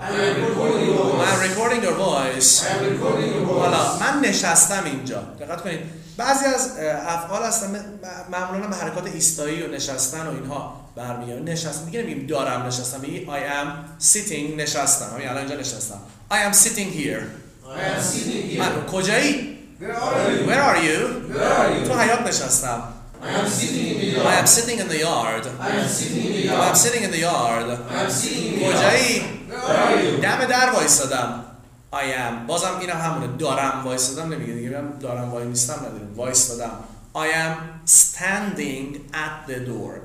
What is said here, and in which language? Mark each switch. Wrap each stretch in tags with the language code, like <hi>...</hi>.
<en>I am recording your voice. I am recording your voice. I am recording your voice.</en> <fa>حالا من نشستم اینجا. دقت کنید. بعضی از افعال هستن معمولاً به حرکات ایستایی و نشستن و اینها برمیگردن. نشستن دیگه نمیگیم دارم نشستم، میگی</fa> <en>I am sitting.</en> <fa>نشستم همین الان اینجا نشستم.</fa> <en>I am sitting here. I am sitting here.</en> <fa>کجایی؟</fa> <en>Where are you?</en> <fa>تو حیاط نشستم.</fa> <en>I am sitting in the yard. I am sitting in the yard.</en> <fa>کجایی؟ دم در وایستادم.</fa> <en>I am.</en> <fa>بازم اینم همونه. دارم وایستادم نمیگه دیگه، میگم دارم وایستم نداره، وایستادم.</fa> <en>I am standing at the door.</en>